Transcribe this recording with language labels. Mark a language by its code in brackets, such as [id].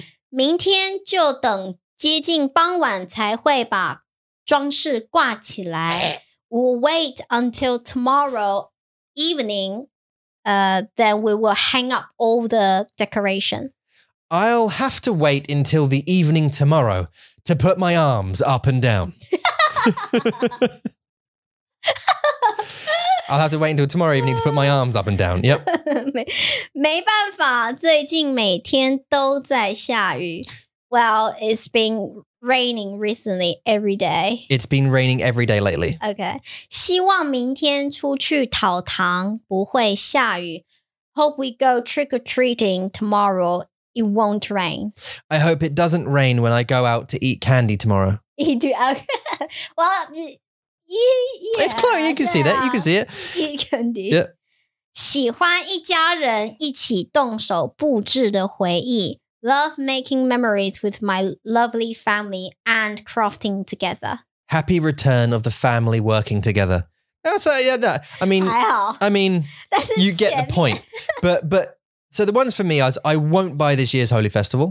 [zh] 明天就等接近傍晚才会把装饰挂起来. [en] We'll wait until tomorrow evening, then we will hang up all the decoration. I'll have to wait until the evening tomorrow to put my arms up and down. I'll have to wait until tomorrow evening to put my arms up and down. Yep. [zh] 没办法，最近每天都在下雨. [en] Well, it's been raining recently every day. It's been raining every day lately. Okay. [zh] 希望明天出去讨糖不会下雨. [en] Hope we go trick-or-treating tomorrow. It won't rain. I hope it doesn't rain when I go out to eat candy tomorrow. You do. Okay. Well, yeah, it's close. You can see that. You can see it. You can do. Yeah. [zh] 喜欢一家人一起动手布置的回忆. [en] Love making memories with my lovely family and crafting together. Happy return of the family working together. Oh, so yeah, that. I mean, that's you get the point. But So the ones for me are, I won't buy this year's Holi Festival.